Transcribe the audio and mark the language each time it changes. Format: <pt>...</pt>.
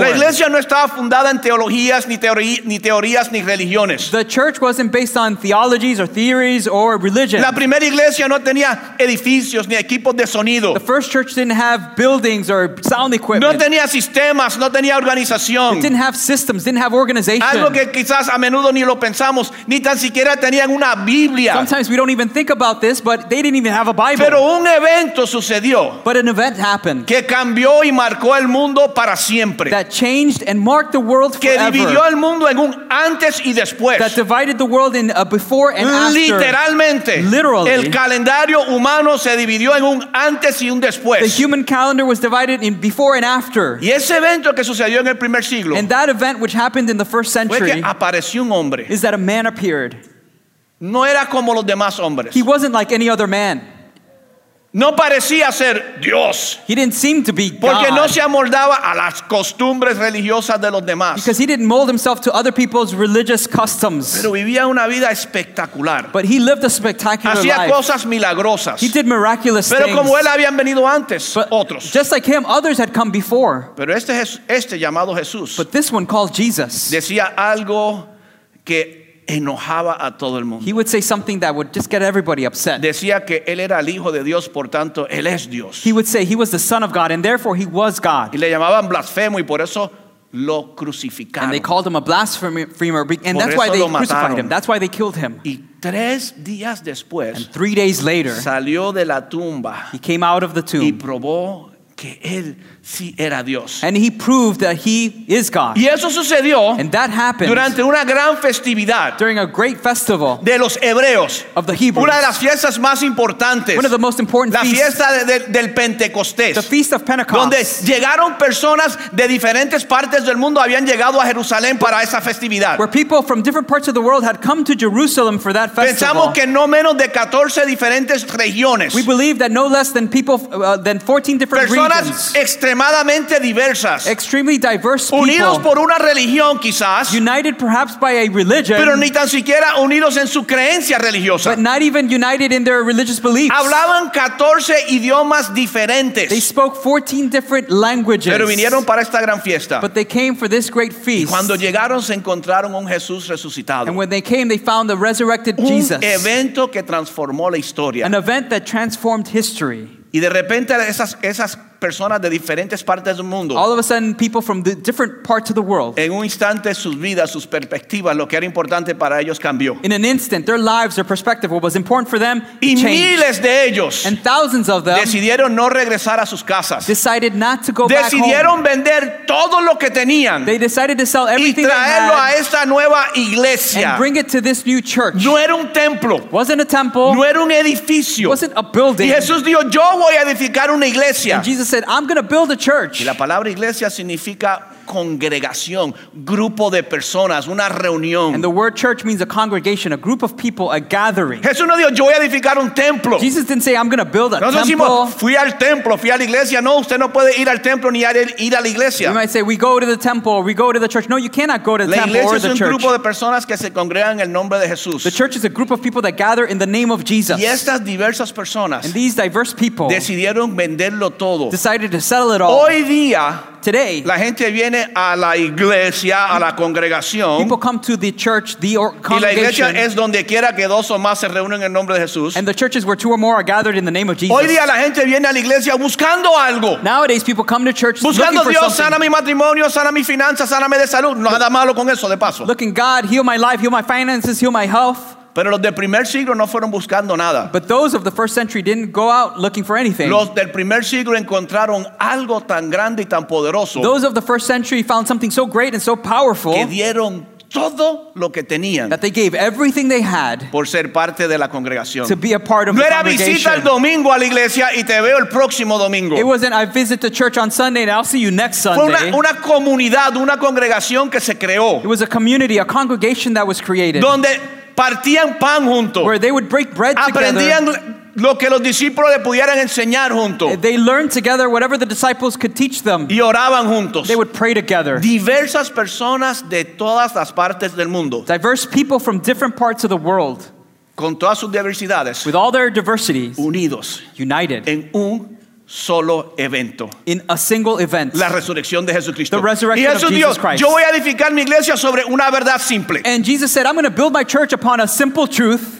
<es>La iglesia no estaba fundada en teologías ni teorías ni religiones.</es> <en>The church wasn't based on theologies or theories or religion.</en> <es>La primera iglesia no tenía edificios ni equipos de sonido.</es> <en>The first church didn't have buildings or sound equipment.</en> <es>No tenía sistemas, no tenía organización.</es> <en>It didn't have systems, didn't have organization.</en> <es>Algo que quizás a menudo ni lo pensamos, ni tan siquiera tenían una Biblia.</es> <en>Sometimes we don't even think about this, but they didn't even have a Bible.</en> <es>Pero un evento sucedió.</es> <en>But an event happened.</en> <es>Que cambió y marcó el mundo para siempre.</es> <en>That changed and marked the world forever.</en> <es>Que dividió el mundo en un antes y después.</es> <en>That divided the world in a before and after.</en> <es>Literalmente.</es> <en>Literally.</en> <es>El calendario humano se dividió en un antes y un después.</es> <en>The human calendar was divided in before and after.</en> <es>Y ese evento que sucedió en el primer siglo.</es> <en>And that event which happened in the first century.</en> <es>Que apareció un hombre.</es> <en>Is that a man appeared?</en> <es>No era como los demás hombres.</es> <en>He wasn't like any other man.</en> <es>No parecía ser Dios.</es> <en>He didn't seem to be God.</en> <es>Porque no se amoldaba a las costumbres religiosas de los demás.</es> <en>Because he didn't mold himself to other people's religious customs.</en> <es>Pero vivía una vida espectacular.</es> <en>But he lived a spectacular</en> <es>hacía</es> <en>life.</en> <es>Hacía cosas milagrosas.</es> <en>He did miraculous</en> <es>pero</es> <en>things.</en> <es>Pero como él habían venido antes,</es> <en>but</en> <es>otros.</es> <en>Just like him, others had come before.</en> <es>Pero este llamado Jesús.</es> <en>But this one called Jesus.</en> <es>Decía algo que enojaba a todo el mundo.</es> <en>He would say something that would just get everybody upset.</en> <es>Decía que él era el hijo de Dios, por tanto él es Dios.</es> <en>He would say he was the son of God and therefore he was God.</en> <es>Y le llamaban blasfemo y por eso lo crucificaron.</es> <en>And they called him a blasphemer and that's why they crucified him. That's why they killed him.</en> <es>Y 3 días después,</es> <en>and 3 days later,</en> <es>salió de la tumba.</es> <en>He came out of the tomb.</en> <es>Y probó que él sí era Dios.</es> <en>And he proved that he is God.</en> <es>Y eso sucedió.</es> <en>And that happened.</en> <es>Durante una gran festividad.</es> <en>During a great festival.</en> <es>De los hebreos.</es> <en>Of the Hebrews.</en> <es>Una de las fiestas más importantes.</es> <en>One of the most important feasts.</en> <es>La fiesta del Pentecostés.</es> <en>The feast of Pentecost.</en> <es>Donde llegaron personas de diferentes partes del mundo habían llegado a Jerusalén para esa festividad.</es> <en>Where people from different parts of the world had come to Jerusalem for that festival.</en> <es>Pensamos que no menos de 14 diferentes regiones.</es> <en>We believe that no less than people than 14 different</en> <es>personas</es> <en>regions.</en> <es>Extremadamente diversas.</es> <en>Extremely diverse people.</en> <es>Unidos por una religión, quizás.</es> <en>United perhaps by a religion.</en> <es>Pero ni tan siquiera unidos en su creencia religiosa.</es> <en>But not even united in their religious beliefs.</en> <es>Hablaban 14 idiomas diferentes.</es> <en>They spoke 14 different languages.</en> <es>Pero vinieron para esta gran fiesta.</es> <en>But they came for this great feast.</en> <es>Y cuando llegaron se encontraron un Jesús resucitado.</es> <en>And when they came they found the resurrected</en> <es>un</es> <en>Jesus.</en> <es>Un evento que transformó la historia.</es> <en>An event that transformed history.</en> <es>Y de repente esas personas de diferentes partes del mundo.</es> <en>All of a sudden, people from the different parts of the world.</en> <es>En un instante, sus vidas, sus perspectivas, lo que era importante para ellos cambió.</es> <en>In an instant, their lives, their perspective, what was important for them,</en> <es>y</es> <en>changed.</en> <es>Y miles de ellos.</es> <en>And thousands of them.</en> <es>Decidieron no regresar a sus casas.</es> <en>Decided not to go</en> <es>decidieron</es> <en>back home.</en> <es>Decidieron vender todo lo que tenían.</es> <en>They decided to sell everything they had.</en> <es>Y traerlo a esta nueva iglesia.</es> <en>And bring it to this new church.</en> <es>No era un templo.</es> <en>Wasn't a temple.</en> <es>No era un edificio.</es> <en>Wasn't a building.</en> <es>Y Jesús dijo, yo voy a edificar una iglesia.</es> <en>And Jesus said, I'm going to build a church.</en> <es>Y la palabra iglesia significa congregación, grupo de personas, una reunión.</es> <en>And the word church means a congregation, a group of people, a gathering.</en> <es>Jesús no dijo, yo voy a edificar un templo.</es> <en>Jesus didn't say, I'm going to build a</en> <es>nosotros</es> <en>temple.</en> <es>Nosotros decimos, fui al templo, fui a la iglesia. No, usted no puede ir al templo ni ir a la iglesia.</es> <en>You might say, we go to the temple, we go to the church. No, you cannot go to the temple or the church.</en> <es>La iglesia es un grupo de personas que se congregan en el nombre de Jesús.</es> <en>The church is a group of people that gather in the name of Jesus.</en> <es>Y estas diversas personas</es> <en>and these diverse people</en> <es>decidieron venderlo todo.</es> <en>Decided to sell it all.</en> <es>Hoy día</es> <en>today.</en> <es>La gente viene a la iglesia, a la congregación.</es> <en>People come to the church, the congregation.</en> <es>Y la iglesia es donde quiera que dos o más se reúnen en nombre de Jesús.</es> <en>And the church is where two or more are gathered in the name of Jesus.</en> <es>Hoy día la gente viene a la iglesia buscando algo.</es> <en>Nowadays people come to church</en> <es>buscando</es> <en>looking</en> <es>Dios,</es> <en>for something.</en> <es>Sana mi matrimonio, sana mi finanzas, sana mi de salud. No, nada malo con eso, de paso.</es> <en>Looking God, heal my life, heal my finances, heal my health.</en> <es>Pero los del primer siglo no fueron buscando nada.</es> <en>But those of the first century didn't go out looking for anything.</en> <es>Los del primer siglo encontraron algo tan grande y tan poderoso.</es> <en>Those of the first century found something so great and so powerful.</en> <es>Que dieron todo lo que tenían.</es> <en>That they gave everything they had.</en> <es>Por ser parte de la congregación.</es> <en>To be a part of</en> <es>no</es> <en>the congregation.</en> <es>No era visita el domingo a la iglesia y te veo el próximo domingo.</es> <en>It wasn't I visit the church on Sunday and I'll see you next Sunday.</en> <es>Fue una comunidad, una congregación que se creó.</es> <en>It was a community, a congregation that was created.</en> <es>Donde partían pan juntos.</es> <en>Where they would break bread</en> <es>aprendían</es> <en>together.</en> <es>Aprendían lo que los discípulos le pudieran enseñar juntos.</es> <en>They learned together whatever the disciples could teach them.</en> <es>Y oraban juntos.</es> <en>They would pray together.</en> <es>Diversas personas de todas las partes del mundo.</es> <en>Diverse people from different parts of the world.</en> <es>Con todas sus diversidades.</es> <en>With all their diversities.</en> <es>Unidos.</es> <en>United.</en> <es>En un solo evento.</es> <en>In a single event.</en> <es>La resurrección de Jesucristo.</es> <en>The resurrection</en> <es>y Jesús</es> <en>of</en> <es>dijo,</es> <en>Jesus Christ.</en> <es>Yo voy a edificar mi iglesia sobre una verdad simple.</es> <en>And Jesus said, I'm going to build my church upon a simple truth.</en>